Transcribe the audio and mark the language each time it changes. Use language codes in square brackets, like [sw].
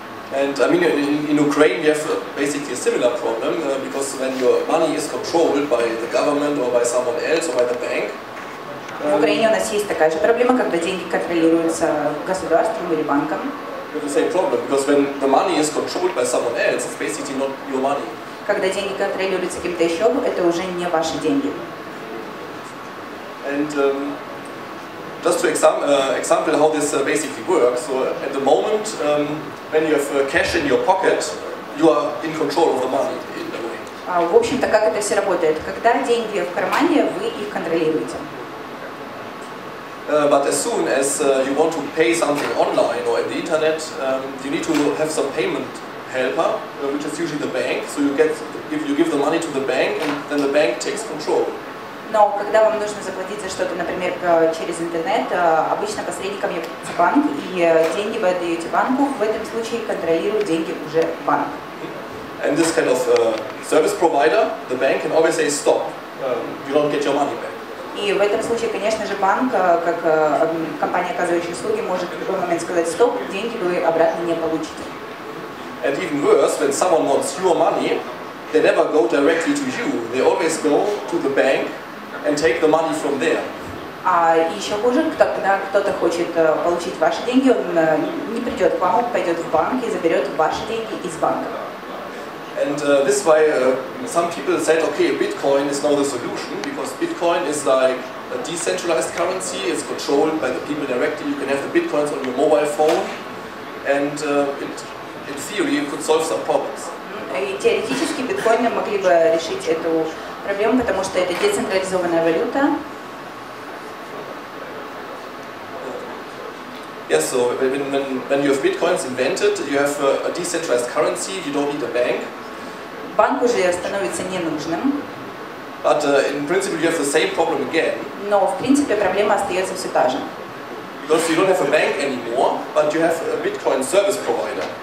[en] And I mean, in Ukraine we have basically a similar problem, because when your money is controlled by the government or by someone else or by the bank, [ru] в Украине у нас есть такая же проблема, когда деньги контролируются государством или банком. [en] The same problem, because when the money is controlled by someone else, it's basically not your money. [ru] Когда деньги контролируются кем-то еще, это уже не ваши деньги. [en] And just to example how this basically works. So at the moment, when you have cash in your pocket, you are in control of the money in a way. [ru] В общем-то, как это все работает? Когда деньги в кармане, вы их контролируете. [en] But as soon as you want to pay something online or at the internet, you need to have some payment helper, which is usually the bank. So you give the money to the bank, and then the bank takes control. [ru] Но когда вам нужно заплатить за что-то, например, через интернет, обычно посредником является банк, и деньги вы отдаете банку. В этом случае контролирует деньги уже банк. [en] And this kind of service provider, the bank, can always say stop. You don't get your money back. [ru] И в этом случае, конечно же, банк, как компания, оказывающая услуги, может в любой момент сказать «стоп», деньги вы обратно не получите. [en] And even worse, when someone wants your money, they never go directly to you. They always go to the bank and take the money from there. [ru] А еще хуже, когда кто-то хочет получить ваши деньги, он не придет к вам, он пойдет в банк и заберет ваши деньги из банка. [en] And this is why some people said, okay, Bitcoin is now the solution, because Bitcoin is like a decentralized currency, it's controlled by the people directly, you can have the Bitcoins on your mobile phone, and in theory it could solve some problems. [ru] И теоретически биткоины могли бы решить эту проблему, потому что это децентрализованная валюта. [en] Yes, so when you have bitcoins invented, you have a decentralized currency, you don't need a bank. [ru] Банк уже становится ненужным. [en] But in principle you have the same problem again. [ru] Но в принципе проблема остается все та же. [en] Because you don't have a bank anymore, but you have a bitcoin service provider.